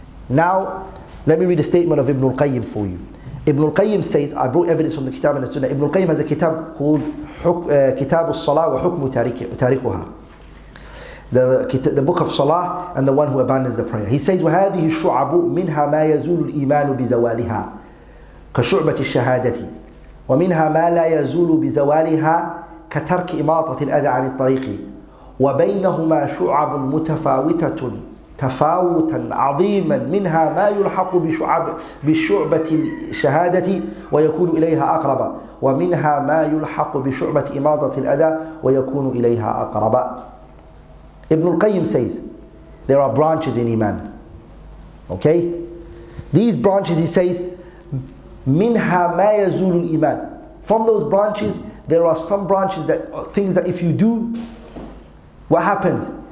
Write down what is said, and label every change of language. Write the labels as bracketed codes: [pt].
[en] Now, let me read a statement of Ibn al-Qayyim for you. Ibn al-Qayyim says, I brought evidence from the Kitab and the Sunnah. Ibn al-Qayyim has a kitab called Kitab al-Salah wa Hukmu Tarikuha. The book of Salah and the one who abandons the prayer. He says, [ar] وَهَذِهِ الشُّعَبُ مِنْهَا مَا يَزُولُ الْإِيمَانُ بِزَوَالِهَا كَشُعْبَةِ الشَّهَادَةِ وَمِنْهَا مَا لَا يَزُولُ بِزَوَالِهَا كَتَرْكِ إِمَاطَةِ الْأَذَى عَنِ الطَّرِيقِ وَبَيْنَهُمَا شُعَبٌ مُتَفَاوِتَةٌ تفاوتا عظيما منها ما يلحق بشعبة الشهادة ويكون إليها أقرب ومنها ما يلحق بشعبة إماطة الأذى ويكون إليها أقرب. [en] Ibn al-Qayyim says, there are branches in Iman. Okay? These branches, he says, [ar] منها ما يزول الإيمان. [en] From those branches, there are some branches that things that if you do, what happens?